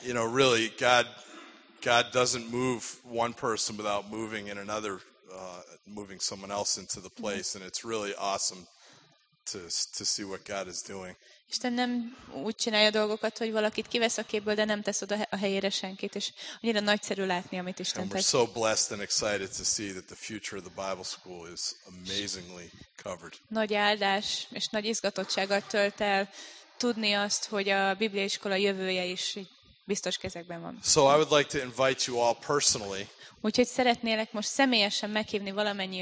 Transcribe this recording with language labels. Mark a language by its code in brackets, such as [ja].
[en] You know, really God doesn't move one person without moving in another moving someone else into the place and it's really awesome to see what God is doing. [hu] Isten nem úgy csinálja dolgokat, hogy valakit kivesz a képből, de nem tesz oda a helyére senkit, és annyira nagyszerű látni, amit Isten tesz. [en] So blessed and excited to see that the future of the Bible school is amazingly covered. [hu] Nagy áldás és nagy izgatottsággal tölt el tudni azt, hogy a bibliaiskola jövője is biztos kezekben van. [en] So I would like to invite you all personally. [hu] Úgyhogy szeretnélek most személyesen meghívni valamennyi